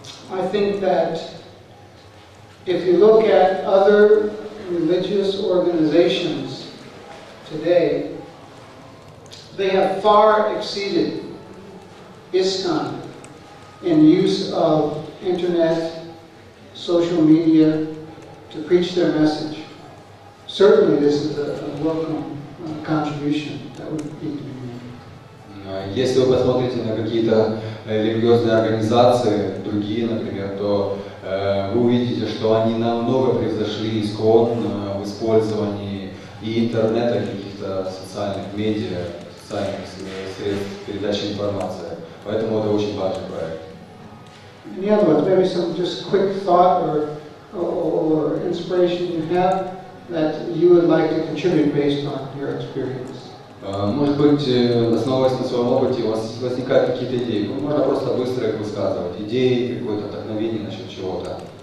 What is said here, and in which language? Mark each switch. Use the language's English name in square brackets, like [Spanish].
[English] I think that if you look at other religious organizations today, they have far exceeded ISKCON in use of internet, social media to preach their message. Certainly this is a welcome contribution that would need to be made. [Russian] Если вы посмотрите на какие-то религиозные организации, другие, например, то вы увидите, что они намного превзошли ISKCON в использовании и интернета, социальных медиа, социальных средств передачи информации. Поэтому это очень важный проект. [English] Any other ones? Maybe some just quick thought or inspiration you have that you would like to contribute based on your experience? [Russian] Может быть, основываясь на своем опыте, у вас возникают какие-то идеи. Можно просто быстро их высказывать. Идеи, какое-то вдохновение насчет чего-то.